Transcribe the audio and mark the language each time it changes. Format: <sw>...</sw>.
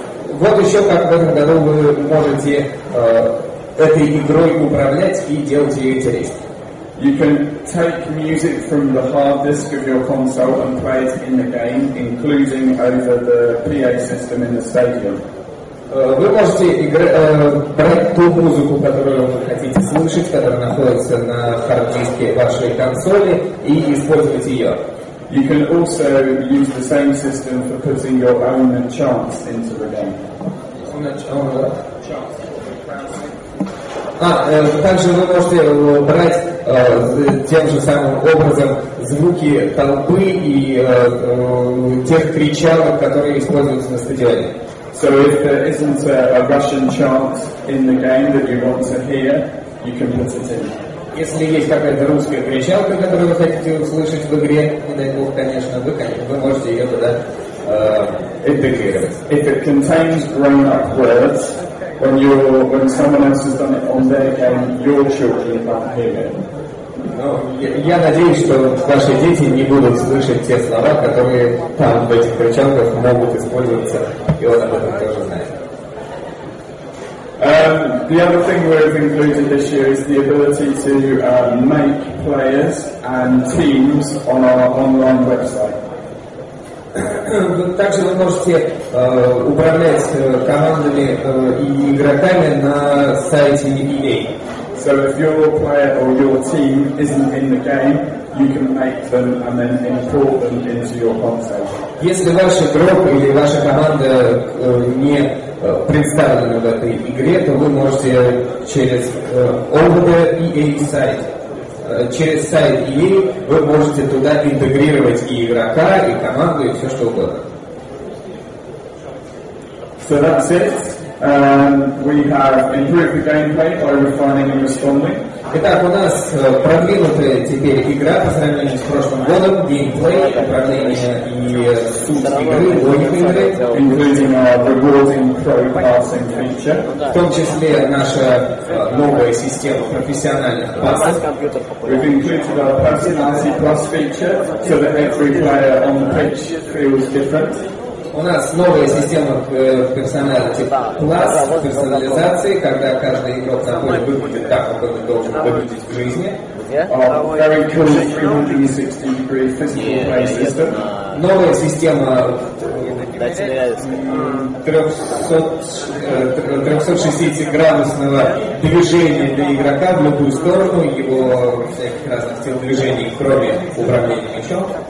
<ru>Вот еще как в этом году вы можете этой игрой управлять и делать ее интереснее.</ru> <en>You can take music from the hard disk of your console and play it in the game, including over the PA system in the stadium.</en> <ru>Вы можете брать ту музыку, которую вы хотите слышать, которая находится на хард-диске вашей консоли, и использовать ее.</ru> <en>You can also use the same system for putting your own chants into the game.</en> <ru>Также вы можете брать тем же самым образом звуки толпы и тех кричалок, которые используются на стадионе.</ru> <en>So if there isn't a Russian chant in the game that you want to hear, you can put it in.</en> <ru>Если есть какая-то русская кричалка, которую вы хотите услышать в игре, не дай бог, конечно, вы можете ее туда интегрировать.</ru> <en>If it contains grown-up words, when someone else has done it on their game, your children can't hear it.</en> <ru>Я надеюсь, что ваши дети не будут слышать те слова, которые там в этих кричалках могут использоваться, и он об этом тоже знает.</ru> <en>The other thing we've included this year is the ability to make players and teams on our online website.</en> <ru>Также вы можете управлять командами и игроками на сайте EA.</ru> <en>So if your player or your team isn't in the game, you can make them and then import them into your console.</en> <ru>Если ваш игрок или ваша команда не представлена в этой игре, то вы можете через over the EA site, через сайт EA, вы можете туда интегрировать и игрока, и команду, и все что угодно.</ru> <en>So that's it. We have improved the gameplay by refining and responding.</en> <ru>Итак, у нас продвинутая теперь игра по сравнению с прошлым годом. Геймплей, управление и суть игры, логика игры.</ru> <en>Including our rewarding pro-passing feature.</en> <ru>В том числе наша новая система профессиональных пассов.</ru> <en>We've included our personality plus feature, so that every player on the pitch feels different.</en> <ru>у нас новая система персонала, типа класс персонализации, когда каждый игрок заходит, выглядит так, как он должен выглядеть в жизни.</ru> <en>Very cool 360 degree physical play system.</en> <ru>Новая система 360-градусного движения для игрока в любую сторону, его всяких разных тел движений, кроме управления мячом.</ru>